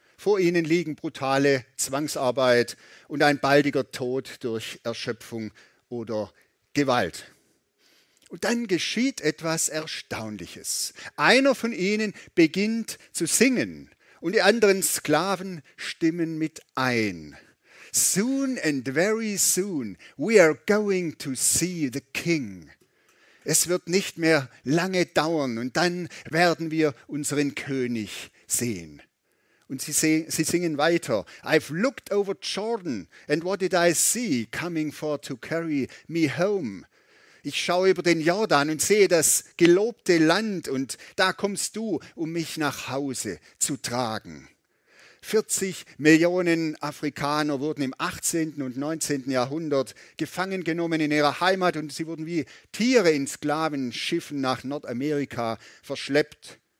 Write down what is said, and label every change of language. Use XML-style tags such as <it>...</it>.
<de>Vor ihnen liegen brutale Zwangsarbeit und ein baldiger Tod durch Erschöpfung oder Gewalt. Und dann geschieht etwas Erstaunliches. Einer von ihnen beginnt zu singen und die anderen Sklaven stimmen mit ein.</de> <en>Soon and very soon we are going to see the king.</en> <de>Es wird nicht mehr lange dauern und dann werden wir unseren König sehen. Und sie singen weiter.</de> <en>I've looked over Jordan and what did I see coming for to carry me home?</en> <de>Ich schaue über den Jordan und sehe das gelobte Land und da kommst du, um mich nach Hause zu tragen. 40 Millionen Afrikaner wurden im 18. und 19. Jahrhundert gefangen genommen in ihrer Heimat und sie wurden wie Tiere in Sklavenschiffen nach Nordamerika verschleppt.</de>